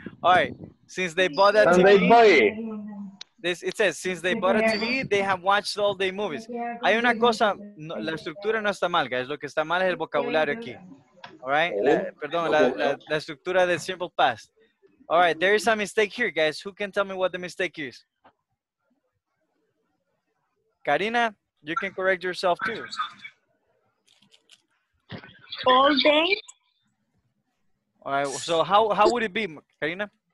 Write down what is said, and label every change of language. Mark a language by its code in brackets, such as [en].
[en] All right, since they bought a TV, since they bought a TV, they have watched all day movies. [es] Hay una cosa, no, la estructura no está mal, guys, lo que está mal es el vocabulario aquí. [en] All right, [es] la estructura del simple past. [en] All right, there is a mistake here, guys. Who can tell me what the mistake is? Karina, you can correct yourself too. All day. All right, so how would it be, Karina?